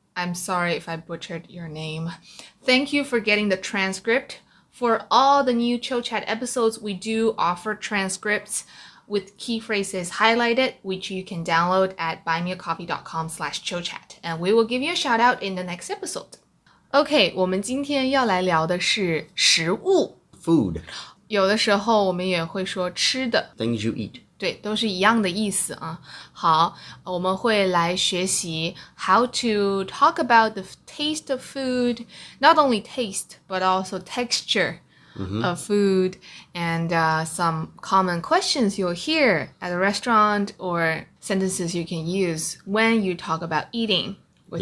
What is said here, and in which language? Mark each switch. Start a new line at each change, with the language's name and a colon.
English: I'm sorry if I butchered your name. Thank you for getting the transcript. For all the new Chill Chat episodes, we do offer transcripts with key phrases highlighted, which you can download at buymeacoffee.com/chillchat, and we will give you a shout out in the next episode.
Chinese: OK, 我们今天要来聊的是食物
English: food.
Chinese: 有的时候我们也会说吃的
English: Things you eat
Chinese: 对都是一样的意思啊。好我们会来学习
English: How to talk about the taste of food Not only taste but also texture、mm-hmm. of food And、some common questions you'll hear at a restaurant Or sentences you can use when you talk about eating with、